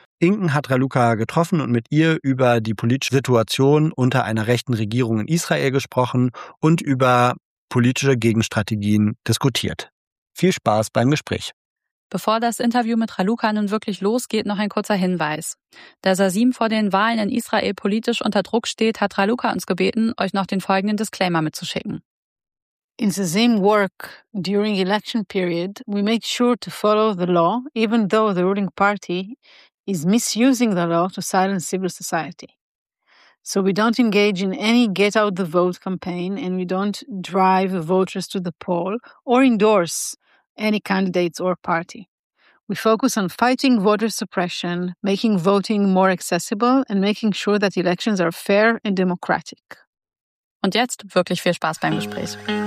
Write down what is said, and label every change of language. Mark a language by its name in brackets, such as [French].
[German] Inken hat Raluca getroffen und mit ihr über die politische Situation unter einer rechten Regierung in Israel gesprochen und über politische Gegenstrategien diskutiert. Viel Spaß beim Gespräch. Bevor das Interview mit Raluca nun wirklich losgeht, noch ein kurzer Hinweis. Da SASIM vor den Wahlen in Israel politisch unter Druck steht, hat Raluca uns gebeten, euch noch den folgenden Disclaimer mitzuschicken. [English] In SASIM work during election period, we make sure to follow the law, even though the ruling party is misusing the law to silence civil society. So we don't engage in any get out the vote campaign and we don't drive voters to the poll or endorse any candidates or party. We focus on fighting voter suppression, making voting more accessible and making sure that elections are fair and democratic. [German] Und jetzt wirklich viel Spaß beim Gespräch.